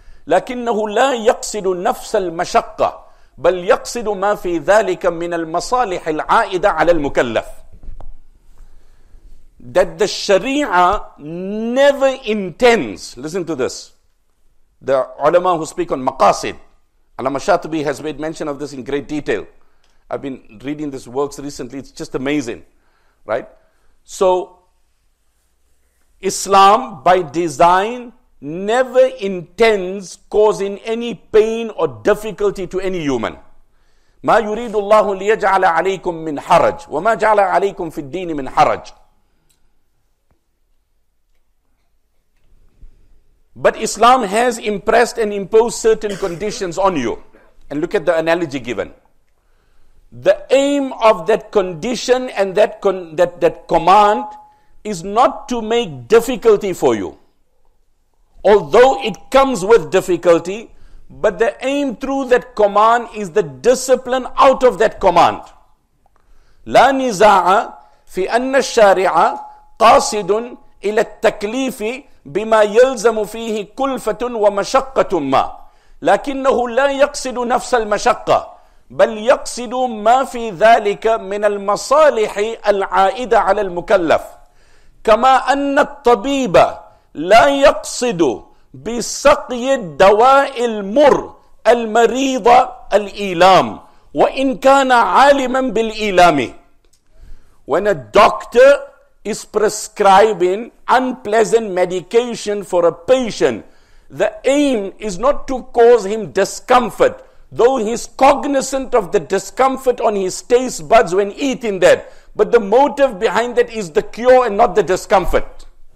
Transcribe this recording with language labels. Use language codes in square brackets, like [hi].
[ar] لكنه لا يقصد نفس المشقة بل يقصد ما في ذلك من المصالح العائدة على المكلف. [en] That the Sharia never intends, listen to this, the ulama who speak on maqasid, Alama Shatibi has made mention of this in great detail. I've been reading this works recently, it's just amazing, right? So Islam by design never intends causing any pain or difficulty to any human. [ar] ما يريد الله ليجعل عليكم من حرج وما جعل عليكم في الدين من حرج. [en] But Islam has impressed and imposed certain conditions on you. And look at the analogy given. The aim of that condition and that command is not to make difficulty for you. Although it comes with difficulty, but the aim through that command is the discipline out of that command. [ar] لا نزاع في أن الشارع قاصد إلى التكليف بما يلزم فيه كلفة ومشقة ما. لكنه لا يقصد نفس المشقة بل يقصد ما في ذلك من المصالح العائدة على المكلف. كما أن الطبيب لا يقصد بسقي الدواء المر المريض الإيلام وإن كان عالما بالإيلام. [en] When a doctor is prescribing unpleasant medication for a patient, the aim is not to cause him discomfort, though he is cognizant of the discomfort on his taste buds when eating that, but the motive behind that is the cure and not the discomfort.